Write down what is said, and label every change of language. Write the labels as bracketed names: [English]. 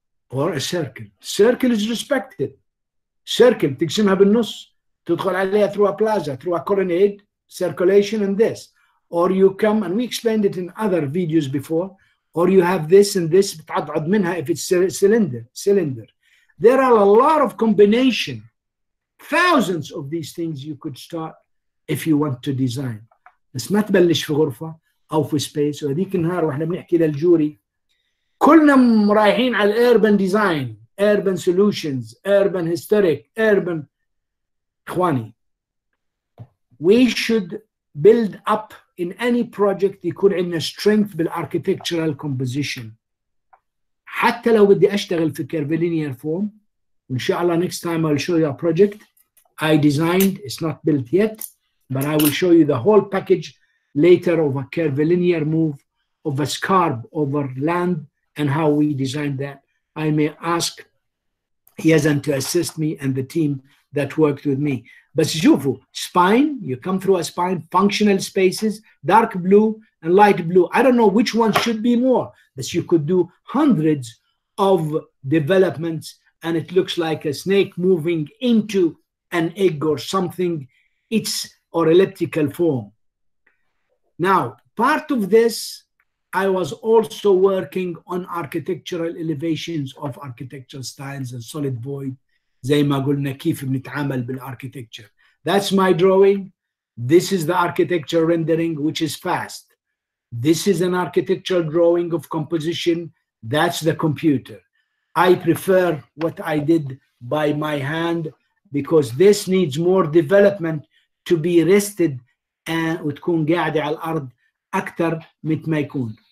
[English] Or a circle. Circle is respected. Circle [Arabic] تقسمها بالنص تدخل عليها [English] through a plaza, through a colonnade, circulation and this. Or you come, and we explained it in other videos before, or you have this and this, [Arabic] بتعضعض منها [English] if it's cylinder. There are a lot of combination. Thousands of these things you could start if you want to design. [Arabic] بس ما تبلش في غرفة أو في space. وهذيك النهار وإحنا بنحكي للجوري كلنا رايحين على [English] urban design, urban solutions, urban historic, urban. إخواني, we should build up in any project [Arabic] يكون عندنا [English] strength بالarchitectural composition. [Arabic] حتى لو بدي أشتغل في [English] curvilinear form, [Arabic] إن شاء الله [English] next time I'll show you a project. I designed, it's not built yet, but I will show you the whole package later of a curvilinear move of a scarb over land and how we designed that. I may ask Yazan to assist me and the team that worked with me. But [Arabic] شوفوا, [English] spine, you come through a spine, functional spaces, dark blue and light blue. I don't know which one should be more, but you could do hundreds of developments and it looks like a snake moving into an egg or something, it's or elliptical form. Now, part of this, I was also working on architectural elevations of architectural styles and solid void. [Arabic] زي ما قلنا كيف بنتعامل بالarchitecture. [English] That's my drawing. This is the architecture rendering, which is fast. This is an architectural drawing of composition. That's the computer. I prefer what I did by my hand because this needs more development to be rested and [Arabic] وتكون قاعدة على الأرض أكثر مما يكون.